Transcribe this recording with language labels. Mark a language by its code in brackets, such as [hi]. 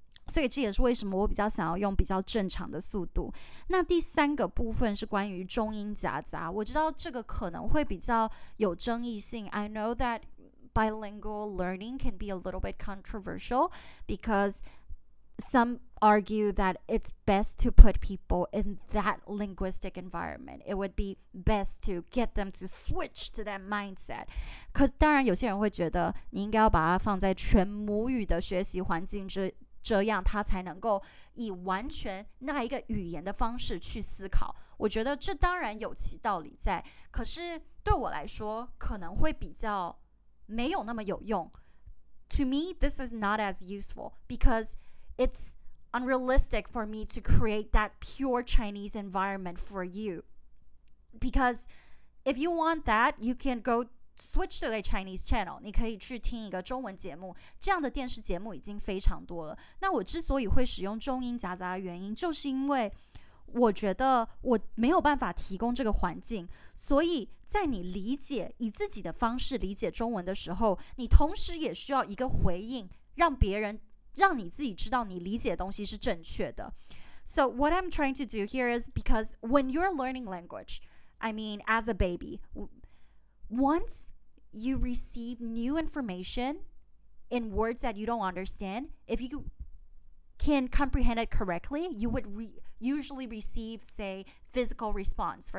[zh] 所以这也是为什么我比较想要用比较正常的速度那第三个部分是关于中音夹杂我知道这个可能会比较有争议性 [en] I know that bilingual learning can be a little bit controversial becauseSome argue that it's best to put people in that linguistic environment. It would be best to get them to switch to that mindset. [zh] 可当然有些人会觉得你应该要把它放在全母语的学习环境这样他才能够以完全那一个语言的方式去思考。我觉得这当然有其道理在可是对我来说可能会比较没有那么有用。 [en] To me, this is not as useful becauseIt's unrealistic for me to create that pure Chinese environment for you. Because if you want that, you can go switch to a Chinese channel. [zh] 你可以去听一个中文节目。这样的电视节目已经非常多了。那我之所以会使用中音夹杂的原因，就是因为我觉得我没有办法提供这个环境。所以在你理解，以自己的方式理解中文的时候，你同时也需要一个回应，让别人让你自己知道你理解的东西是正确的。 [en] So what I'm trying to do here is because when you're learning language, I mean as a baby, once you receive new information in words that you don't understand, if you can comprehend it correctly, you would usually receive, say, physical response.